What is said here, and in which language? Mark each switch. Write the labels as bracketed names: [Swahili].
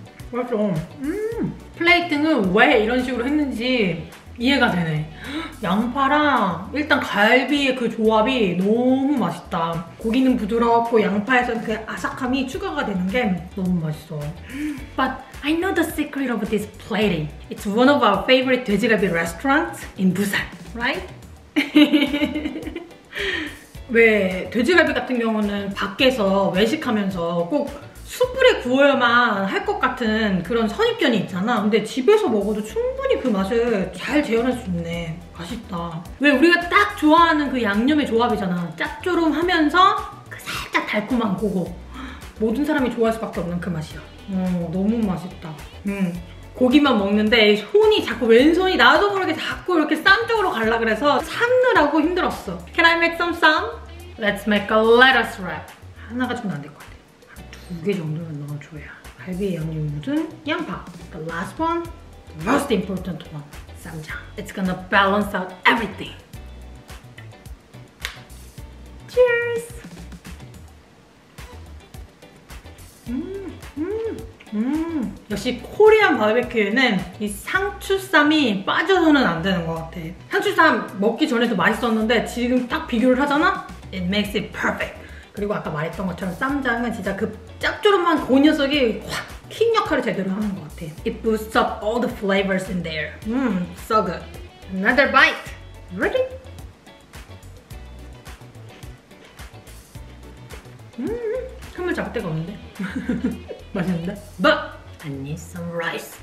[Korean] 맛있어. 플레이팅은 왜 이런 식으로 했는지 이해가 되네. 양파랑 일단 갈비의 그 조합이 너무 맛있다. 고기는 부드럽고 양파에서는 그 아삭함이 추가가 되는 게 너무 맛있어. [English] But I know the secret of this plating. It's one of our favorite 돼지갈비 restaurants in Busan, right? [Korean] 왜 돼지갈비 같은 경우는 밖에서 외식하면서 꼭 숯불에 구워야만 할 것 같은 그런 선입견이 있잖아. 근데 집에서 먹어도 충분히 그 맛을 잘 재현할 수 있네. 맛있다. 왜 우리가 딱 좋아하는 그 양념의 조합이잖아. 짭조름하면서 그 살짝 달콤한 그거. 모든 사람이 좋아할 수밖에 없는 그 맛이야. 너무 맛있다. 고기만 먹는데 손이 자꾸 왼손이 나도 모르게 자꾸 이렇게 쌈 쪽으로 갈라 그래서 삶느라고 힘들었어. [English] Can I make some 쌈? Let's make a lettuce wrap. [Korean] 하나가 좀 안 될 것 같아. 두 개 정도는 넣어줘야 갈비 양념 묻은 양파. [English] The last one, the most important one, 쌈장. It's gonna balance out everything. [Korean] 역시 코리안 바베큐에는 이 상추쌈이 빠져서는 안 되는 것 같아. 상추쌈 먹기 전에도 맛있었는데 지금 딱 비교를 하잖아? [English] It makes it perfect. [Korean] 그리고 아까 말했던 것처럼 쌈장은 진짜 그 짭조름한 그 녀석이 확 킹 역할을 제대로 하는 것 같아. [English] It boosts up all the flavors in there. So good. Another bite. Ready? [Korean] 흠을 잡을 데가 없는데? 맛있는데? [English] But I need some rice.